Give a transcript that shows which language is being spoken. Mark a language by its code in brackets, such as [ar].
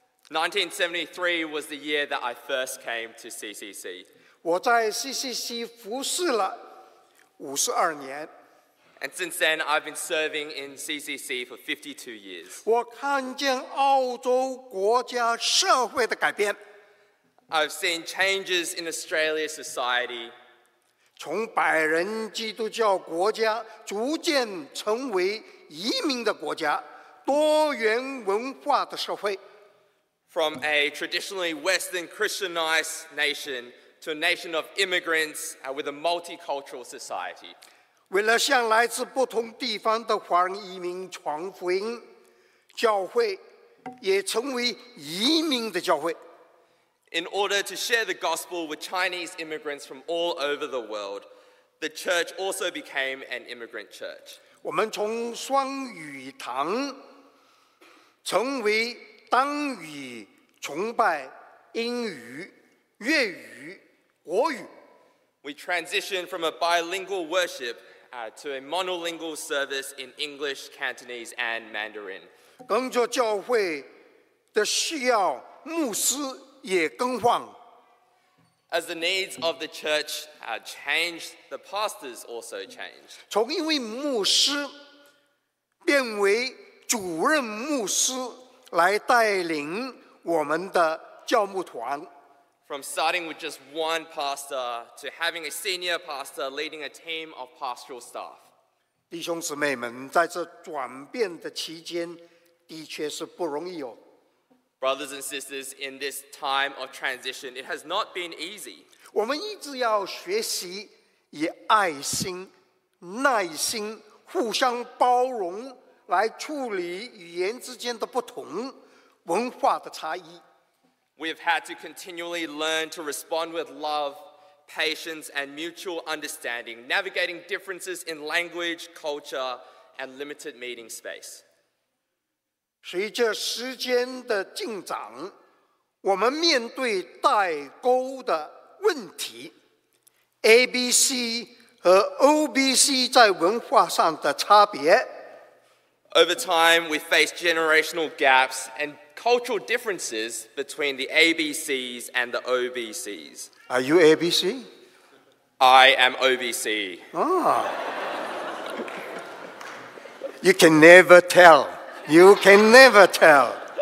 [en] 1973 was the year that I first came to CCC. [zh] 我在CCC服侍了52年。 [en] And since then, I've been serving in CCC for 52 years. [zh] 我看见澳洲国家社会的改变。 [en] I've seen changes in Australia's society. [zh] 从百人基督教国家逐渐成为移民的国家，多元文化的社会。 [en] From a traditionally Western Christianized nation to a nation of immigrants with a multicultural society. [zh] 为了向来自不同地方的华人移民传福音，教会也成为移民的教会。 [en] In order to share the gospel with Chinese immigrants from all over the world, the church also became an immigrant church. [zh] 我们从双语堂成为单语崇拜英语、粤语、国语。 [en] We transitioned from a bilingual worship to a monolingual service in English, Cantonese, and Mandarin. [zh] 跟着教会的需要，牧师也更换。 [en] As the needs of the church changed, the pastors also changed. [zh] 从一位牧师变为主任牧师来带领我们的教牧团。 [en] From starting with just one pastor to having a senior pastor leading a team of pastoral staff. [zh] 弟兄姊妹们，在这转变的期间，的确是不容易哦。 [en] Brothers and sisters, in this time of transition, it has not been easy. [zh] 我们一直要学习以爱心、耐心、互相包容来处理语言之间的不同、文化的差异。 [en] We have had to continually learn to respond with love, patience, and mutual understanding, navigating differences in language, culture, and limited meeting space. [zh] 随着时间的进展，我们面对代沟的问题 ，ABC 和 OBC 在文化上的差别。 [en] Over time, we face generational gaps and cultural differences between the ABCs and the OBCs. Are you ABC? I am OBC. Ah. You can never tell. You can never tell.